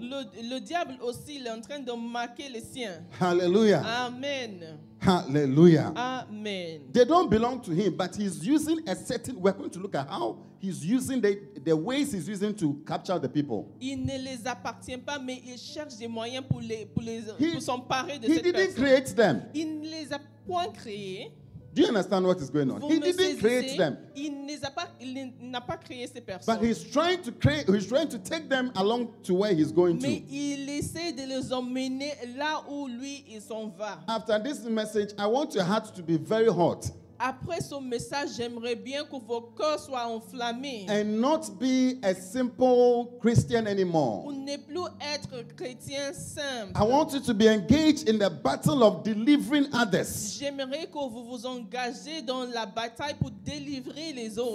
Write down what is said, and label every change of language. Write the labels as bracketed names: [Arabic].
[French] Le diable aussi est en train de marquer les siens. [English] Hallelujah. Amen. Hallelujah. Amen. They don't belong to him, but he's using a certain. We're going to look at how he's using the ways he's using to capture the people. [French] Il ne les appartient pas, mais il cherche des moyens pour s'emparer de cette personne. [English] He didn't create them. [French] Il ne les a point créés. [English] Do you understand what is going on? [French] Vous [English] he didn't create them. [French] Il n'a pas créé ces personnes. [English] But he's trying to create. He's trying to take them along to where he's going [French] Mais [English] to. [French] Mais il essaie de les emmener là où lui il s'en va. [English] After this message, I want your heart to be very hot. [French] après ce message, j'aimerais bien que vos cœurs soient enflammés. [English] And not be a simple Christian anymore. [French] Ou ne plus être chrétien simple. [English] I want you to be engaged in the battle of delivering others. [French] J'aimerais que vous vous engagez dans la bataille pour délivrer les autres.